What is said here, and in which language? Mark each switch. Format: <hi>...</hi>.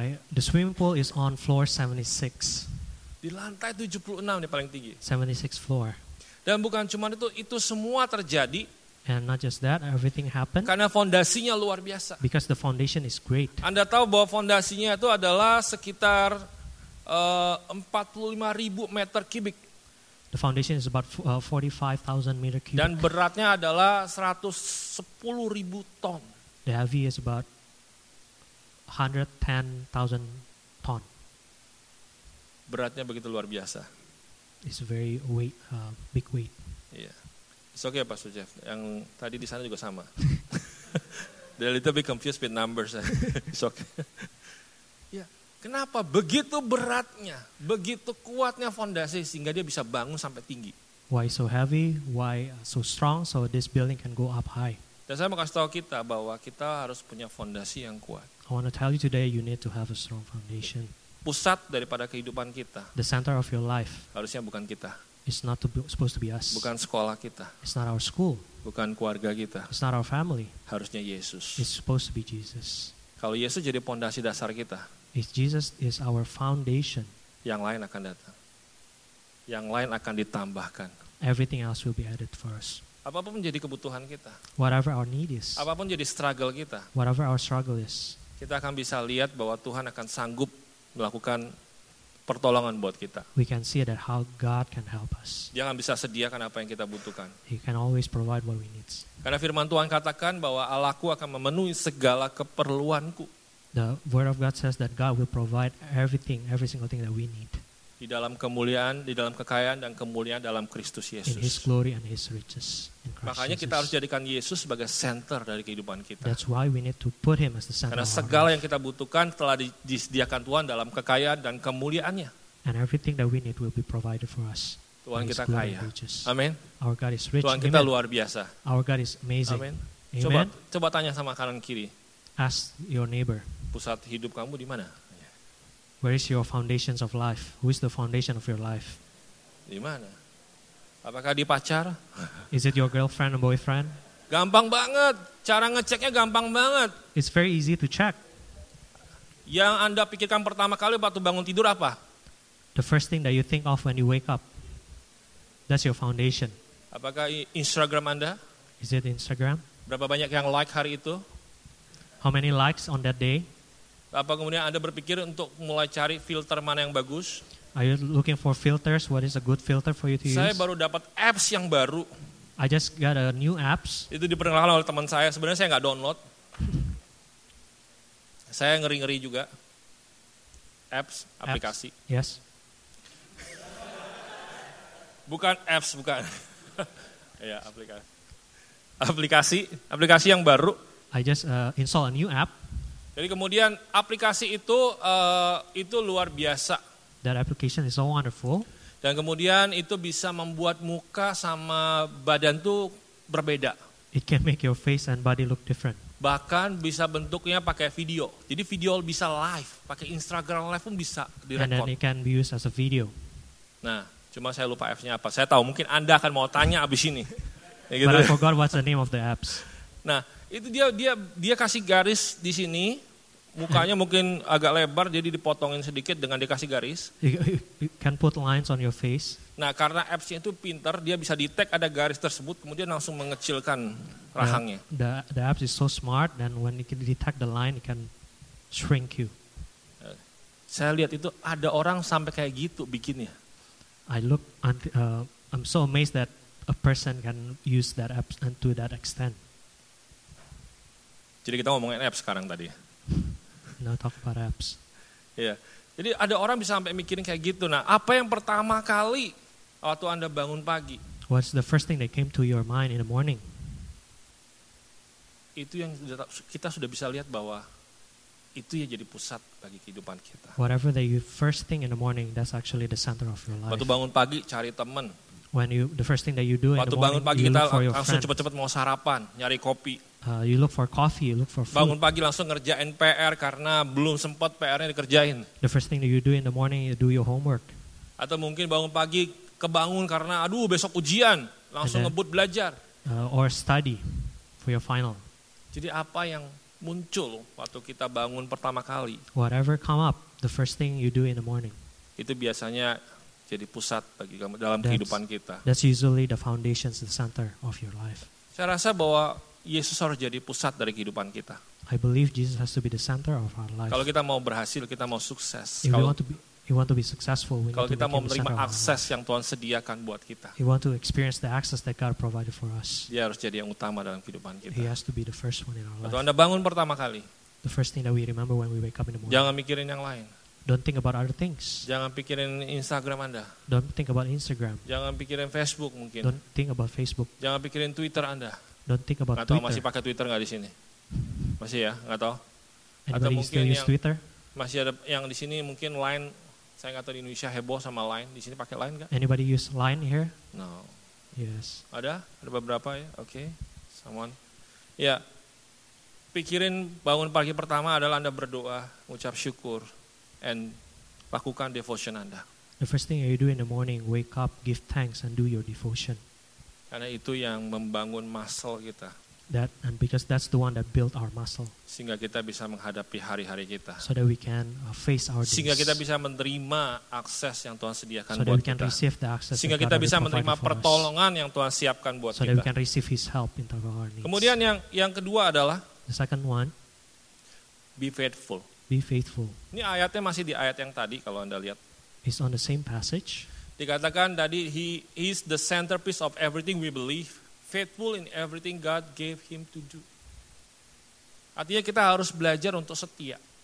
<en>The swimming pool is on floor 76.</en> <id>Di lantai 76 dia paling tinggi.</id> <en>76 floor.</en> <id>Dan bukan cuma itu semua terjadi.</id> <en>And not just that, everything happened.</en> <id>Karena fondasinya luar biasa.</id> <en>Because the foundation is great.</en> <id>Anda tahu bahwa fondasinya itu adalah sekitar 45,000 meter kubik.</id> <en>The foundation is about 45,000 meter cubic.</en> <id>Dan beratnya adalah 110,000 ton.</id> <en>The heavy is about 110,000 ton.</en> <id>Beratnya begitu luar biasa.</id> <en>It's very weight, big weight. Yeah. It's okay,</en> <id>Pastor Jeff. Yang tadi di sana juga sama.</id> <en>They're a little bit confused with numbers. It's okay. Yeah.</en> <id>Kenapa begitu beratnya, begitu kuatnya fondasi sehingga dia bisa bangun sampai tinggi?</id> <en>Why so heavy? Why so strong? So this building can go up high.</en> <id>Dan saya mau kasih tahu kita bahwa kita harus punya fondasi yang kuat.</id> <en>I want to tell you today, you need to have a strong foundation.</en> <id>Pusat daripada kehidupan kita.</id> <en>The center of your life.</en> <id>Harusnya bukan kita.</id> <en>It's not to be, supposed to be us.</en> <id>Bukan sekolah kita.</id> <en>It's not our school.</en> <id>Bukan keluarga kita.</id> <en>It's not our family.</en> <id>Harusnya Yesus.</id> <en>It's supposed to be Jesus.</en> <id>Kalau Yesus jadi fondasi dasar kita.</id> <en>If Jesus is our foundation.</en> <id>Yang lain akan datang. Yang lain akan ditambahkan.</id> <en>Everything else will be added for us.</en> <id>Apapun menjadi kebutuhan kita.</id> <en>Whatever our need is.</en> <id>Apapun jadi struggle kita.</id> <en>Whatever our struggle is.</en> <id>Kita akan bisa lihat bahwa Tuhan akan sanggup melakukan pertolongan buat kita.</id> <en>We can see that how God can help us.</en> <id>Dia akan bisa sediakan apa yang kita butuhkan.</id> <en>He can always provide what we need.</en> <id>Karena firman Tuhan katakan bahwa Allahku akan memenuhi segala keperluanku.</id> <en>The word of God says that God will provide everything, every single thing that we need.</en> <id>Di dalam kemuliaan, di dalam kekayaan dan kemuliaan dalam Kristus Yesus.</id> <en>In His glory and His riches.</en> <id>Makanya kita harus jadikan Yesus sebagai center dari kehidupan kita.</id> <en>That's why we need to put Him as the center.</en> <id>Karena segala yang kita butuhkan telah disediakan Tuhan dalam kekayaan dan kemuliaannya.</id> <en>And everything that we need will be provided for us.</en> <id>Tuhan kita kaya. Amen.</id> <en>Our God is rich.</en> <id>Tuhan kita luar biasa.</id> <en>Our God is amazing.</en> <id>Amen. Coba tanya sama kanan kiri.</id> <en>Ask your neighbor.</en> <id>Pusat hidup kamu di mana?</id> <en>Where is your foundations of life? Who is the foundation of your life?</en> <id>Di mana? Apakah di pacar?</id> <en>Is it your girlfriend or boyfriend?</en> <id>Gampang banget. Cara ngeceknya gampang banget.</id> <en>It's very easy to check.</en> <id>Yang Anda pikirkan pertama kali waktu bangun tidur apa?</id> <en>The first thing that you think of when you wake up. That's your foundation.</en> <id>Apakah Instagram Anda?</id> <en>Is it Instagram?</en> <id>Berapa banyak yang like hari itu?</id> <en>How many likes on that day?</en> <id>Apa kemudian Anda berpikir untuk mulai cari filter mana yang bagus?</id> <en>Are you looking for filters? What is a good filter for you to use?</en> <id>Saya baru dapat apps yang baru.</id> <en>I just got a new apps.</en> <id>Itu diperkenalkan oleh teman saya. Sebenarnya saya enggak download. Saya ngeri-ngeri juga. Apps, aplikasi. Apps.</id> <en>Yes.</en> <id>Bukan apps, bukan. Ya, aplikasi. Aplikasi yang baru.</id> <en>I just install a new app.</en> <id>Jadi kemudian aplikasi itu luar biasa.</id> <en>That application is so wonderful.</en> <id>Dan kemudian itu bisa membuat muka sama badan tuh berbeda.</id> <en>It can make your face and body look different.</en> <id>Bahkan bisa bentuknya pakai video. Jadi video bisa live, pakai Instagram live pun bisa direkam.</id> <en>And then it can be used as a video.</en> <id>Nah, cuma saya lupa F-nya apa. Saya tahu mungkin Anda akan mau tanya abis ini. Ya gitu.</id> <en>But I forgot what's the name of the apps.</en> <id>Nah, itu dia kasih garis di sini. Mukanya mungkin agak lebar, jadi dipotongin sedikit dengan dikasih garis.</id> <en>You can put lines on your face.</en> <id>Nah, karena apps-nya itu pintar, dia bisa detect ada garis tersebut, kemudian langsung mengecilkan rahangnya.</id> <en>The apps is so smart, and when it can detect the line, it can shrink you.</en> <id>Saya lihat itu ada orang sampai kayak gitu bikinnya.</id> <en>I'm so amazed that a person can use that apps and to that extent.</en> <id>Jadi kita ngomongin apps sekarang tadi.</id> <en>Now talk about apps. Yeah.</en> <id>Jadi ada orang bisa sampai mikirin kayak gitu. Nah, apa yang pertama kali waktu Anda bangun pagi?</id> <en>What's the first thing that came to your mind in the morning?</en> <id>Itu yang kita sudah bisa lihat bahwa itu yang jadi pusat bagi kehidupan kita.</id> <en>Whatever that you first thing in the morning, that's actually the center of your life.</en> <id>Waktu bangun pagi cari teman.</id> <en>When you the first thing that you do</en> <id>waktu</id> <en>in the morning,</en> <id>pagi,</id> <en>you</en> <id>kita</id> <en>look for your</en> <id>langsung cepat-cepat mau sarapan, nyari kopi.</id> <en>You look for coffee, you look for food.</en> <id>Bangun pagi langsung ngerjain PR karena belum sempat PR-nya dikerjain.</id> <en>The first thing that you do in the morning, you do your homework.</en> <id>Atau mungkin bangun pagi kebangun karena aduh besok ujian, langsung ngebut belajar.</id> <en>Or study for your final.</en> <id>Jadi apa yang muncul waktu kita bangun pertama kali?</id> <en>Whatever come up, the first thing you do in the morning.</en> <id>Itu biasanya jadi pusat bagi kamu dalam kehidupan kita.</id> <en>That's usually the foundations, the center of your life.</en> <id>Saya rasa bahwa Yesus harus jadi pusat dari kehidupan kita.</id> <en>I believe Jesus has to be the center of our life.</en> <id>Kalau kita mau berhasil, kita mau sukses. Kalau kita mau menerima akses yang Tuhan sediakan buat kita.</id> <en>We want to experience the access that God provided for us.</en> <id>Dia harus jadi yang utama dalam kehidupan kita.</id> <en>He has to be the first one in our life.</en> <id>Waktu Anda bangun pertama kali.</id> <en>The first thing that we remember when we wake up in the morning.</en> <id>Jangan mikirin yang lain.</id> <en>Don't think about other things.</en> <id>Jangan pikirin Instagram Anda.</id> <en>Don't think about Instagram.</en> <id>Jangan pikirin Facebook mungkin.</id> <en>Don't think about Facebook.</en> <id>Jangan pikirin Twitter Anda.</id> <en>Don't think about</en> <id>Twitter. Masih pakai Twitter enggak di sini? Masih ya, enggak tahu. Anybody atau mungkin yang Twitter? Masih ada yang di sini mungkin Line. Saya enggak tahu di Indonesia heboh sama Line. Di sini pakai Line enggak?</id> <en>Anybody use Line here? No. Yes.</en> <id>Ada beberapa ya. Oke.</id> <en>Okay. Someone.</en> <id>Ya. Yeah. Pikirin bangun pagi pertama adalah Anda berdoa, ucap syukur and lakukan devotion Anda.</id> <en>The first thing you do in the morning, wake up, give thanks and do your devotion.</en> <id>Karena itu yang membangun muscle kita.</id> <en>That and because that's the one that built our muscle.</en> <id>Sehingga kita bisa menghadapi hari-hari kita.</id> <en>So that we can face our days.</en> <id>Sehingga kita bisa menerima akses yang Tuhan sediakan</id> <en>so So that we can receive the access.</en> <id>Sehingga kita bisa menerima pertolongan yang Tuhan siapkan buat</id> <en>so</en> <id>kita.</id> <en>So that we can receive His help in our needs.</en> <id>Kemudian yang kedua adalah</id> <en>the second one, be faithful. Be faithful.</en> <id>Ini ayatnya masih di ayat yang tadi kalau Anda lihat.</id> <en>It's on the same passage.</en> <id>Dikatakan tadi</id> <en>he is the centerpiece of everything we believe, faithful in everything God gave him to do.</en> <id>Artinya kita harus belajar untuk setia.</id>